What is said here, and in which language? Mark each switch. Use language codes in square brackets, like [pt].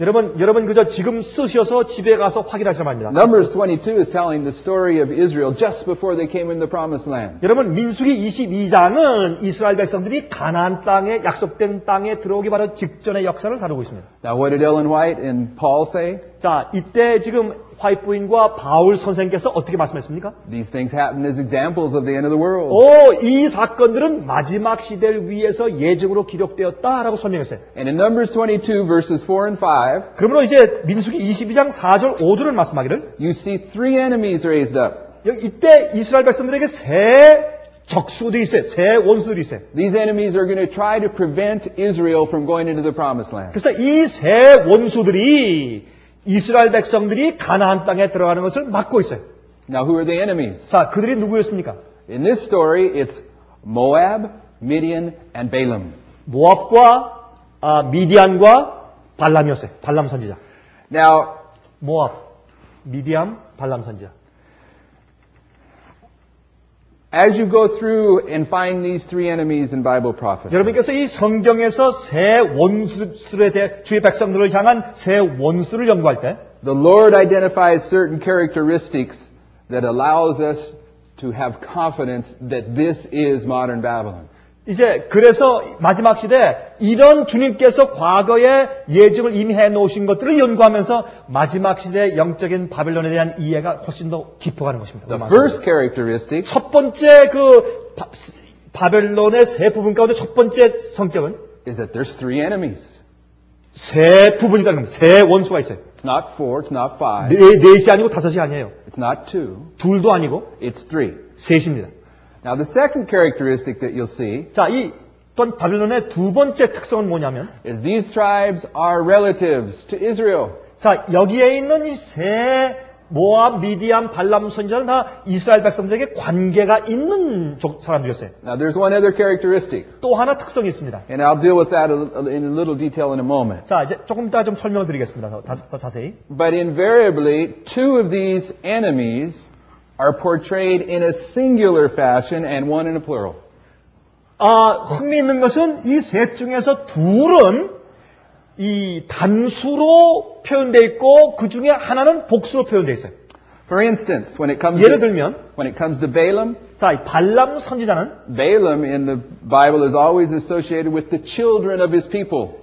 [ko] 여러분 그저 지금 쓰셔서 집에 가서 확인하시면 됩니다. [en] Numbers 22 is telling the story of Israel just before they came in the promised land. [ko] 여러분 민수기 22장은 이스라엘 백성들이 가나안 땅에 약속된 땅에 들어오기 바로 직전의 역사를 다루고 있습니다. [en] Now what did Ellen White and Paul say? [ko] 자, 이때 지금 화이트 부인과 바울 선생께서 어떻게 말씀했습니까? [en] These things happen as examples of the end of the world. [ko] 오, 이 사건들은 마지막 시대를 위해서 예증으로 기록되었다라고 설명했어요. [en] And in Numbers 22 verses 4 and 5. [ko] 그러므로 이제 민수기 22장 4절 5절을 말씀하기를 [en] You see three enemies raised up. [ko] 이때 이스라엘 백성들에게 세 적수들이 있어요. 세 원수들이 있어요. [en] These enemies are going to try to prevent Israel from going into the promised land. [ko] 그래서 이 세 원수들이 이스라엘 백성들이 가나안 땅에 들어가는 것을 막고 있어요. [en] Now, who are the enemies? [ko] 자, 그들이 누구였습니까? [en] In this story, it's Moab, Midian, and Balaam. [ko] 모압과 미디안과 발람이었어요. 발람 선지자. [en] Now, [ko] 모압, 미디안, 발람 선지자. [en] As you go through and find these three enemies in Bible prophecy. [ko] 여러분께서 이 성경에서 세 원수들에 대해 주의 백성들을 향한 세 원수를 연구할 때 [en] The Lord identifies certain characteristics that allows us to have confidence that this is modern Babylon. [ko] 이제 그래서 마지막 시대 이런 주님께서 과거에 예증을 이미 해 놓으신 것들을 연구하면서 마지막 시대 영적인 바벨론에 대한 이해가 훨씬 더 깊어가는 것입니다. [en] The first characteristic [ko] 첫 번째 그 바벨론의 세 부분 가운데 첫 번째 성격은 [en] is that there's three enemies. [ko] 세 부분이라는 겁니다. 세 원수가 있어요. [en] It's not four, it's not five. [ko] 네시 아니고 다섯이 아니에요. [en] It's not two. [ko] 둘도 아니고 [en] it's three. [ko] 셋입니다. [en] Now the second characteristic that you'll see [ko] 자, 이 또한 바벨론의 두 번째 특성은 뭐냐면 [en] is these tribes are relatives to Israel. [ko] 자, 여기에 있는 이 세 모압, 미디안, 발람 선지자는 다 이스라엘 백성들에게 관계가 있는 사람들이었어요. [en] Now there's one other characteristic. [ko] 또 하나 특성이 있습니다. [en] And I'll deal with that in a little detail in a moment. [ko] 자, 이제 조금 이따 좀 설명을 드리겠습니다. 더 자세히. [en] But invariably two of these enemies are portrayed in a singular fashion and one in a plural. [ko] 흥미있는 것은 이 셋 중에서 둘은 이 단수로 표현되어 있고 그 중에 하나는 복수로 표현되어 있어요. [en] For instance, when it comes [ko] 예를 들면 [en] when it comes to Balaam, [ko] 자, 발람 선지자는 [en] Balaam in the Bible is always associated with the children of his people.